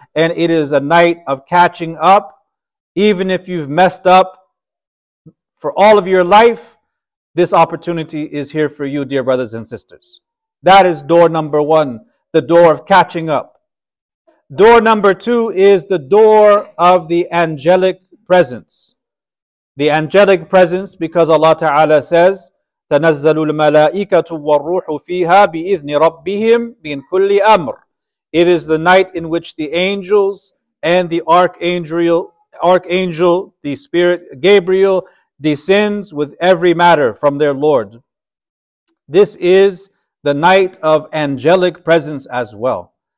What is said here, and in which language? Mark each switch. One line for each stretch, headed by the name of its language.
English: And it is a night of catching up. Even if you've messed up for all of your life, this opportunity is here for you, dear brothers and sisters. That is door number one. The door of catching up. Door number two is the door of the angelic presence. The angelic presence, because Allah Ta'ala says,
Arabic: تَنَزَّلُ الْمَلَائِكَةُ وَالرُّوحُ فِيهَا بِإِذْنِ رَبِّهِمْ مِنْ كُلِّ أَمْرٍ.
English: It is the night in which the angels and the archangel, the spirit Gabriel, descends with every matter from their Lord. This is the night of angelic presence as well.